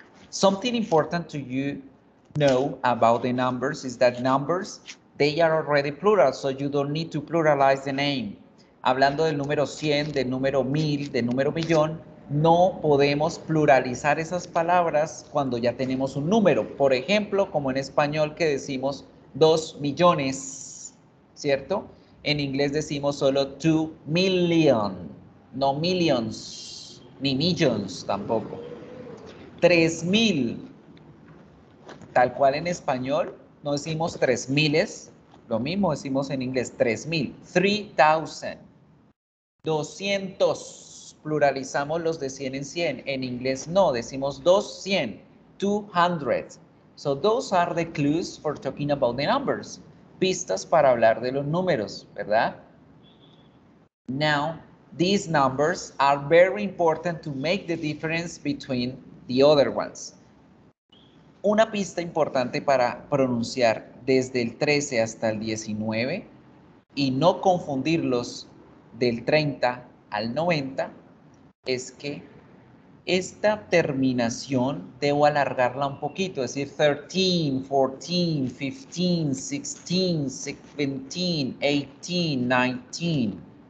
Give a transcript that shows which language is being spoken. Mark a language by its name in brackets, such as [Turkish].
[English] Something important to you know about the numbers is that numbers, they are already plural, so you don't need to pluralize the name. [Spanish] Hablando del número 100, del número 1000, del número millón, no podemos pluralizar esas palabras cuando ya tenemos un número. Por ejemplo, como en español que decimos 2 millones, ¿cierto? En inglés decimos solo 2 million, no millions, ni millions tampoco. 3,000, tal cual en español, no decimos 3,000, lo mismo decimos en inglés, 3,000. 3,000, 200, pluralizamos los de 100 en 100. En inglés no, decimos 200, 200. [English] So those are the clues for talking about the numbers. [Spanish] Pistas para hablar de los números, ¿verdad? [English] Now, these numbers are very important to make the difference between the other ones. [Spanish] Una pista importante para pronunciar desde el 13 hasta el 19 y no confundirlos del 30 al 90 es que esta terminación debo alargarla un poquito, es decir, 13, 14, 15, 16, 17, 18, 19.